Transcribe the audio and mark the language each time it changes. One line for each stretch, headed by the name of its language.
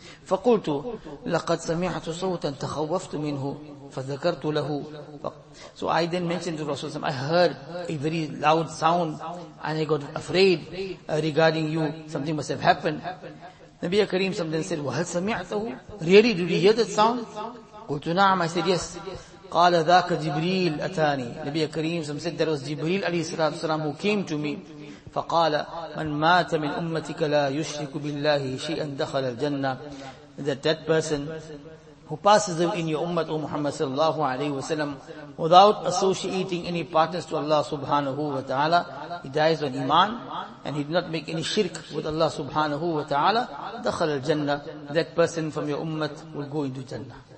Arabic: فَقُلْتُ لَقَدْ سَمِعْتُ صَوْتًا تَخَوَّفْتُ مِنْهُ فَذَكَرْتُ لَهُ,
English: so I then mentioned to Rasulullah, I heard a very loud sound and I got afraid regarding you, something must have happened. Nabiya Kareem then said,
Arabic: وَهَلْ سَمِعْتَهُ,
English: really did you hear that sound?
Arabic: قُلْتُ نَعَمْ,
English: I said yes.
Arabic: قال ذاك جبريل أتاني,
English: نبي كريم
Arabic: صلى الله عليه وسلم
English: said, there was Jibreel
Arabic: عليه الصلاة والسلام
English: who came to me. ف
Arabic: فقال من مات من أمتك لا يشرك بالله شيئا دخل الجنة.
English: That dead person who passes in your ummah, O Muhammad sallallahu alayhi wa sallam, without associating any partners to Allah subhanahu wa ta'ala, he dies on iman, and he did not make any shirk with Allah subhanahu wa ta'ala,
Arabic: dakhal al-jannah,
English: that person from your ummah will go into jannah.